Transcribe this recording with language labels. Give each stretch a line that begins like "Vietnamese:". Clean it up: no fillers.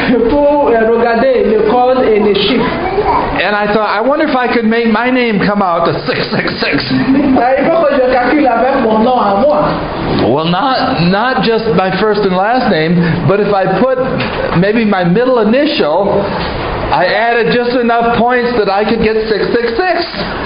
French: Pour regarder le code et les chiffres.
English: And I thought, I wonder if I could make my name come out to 666.
French: Il faut que je calcule avec mon nom à moi.
English: Well, not just my first and last name, but if I put maybe my middle initial, I added just enough points that I could get 666.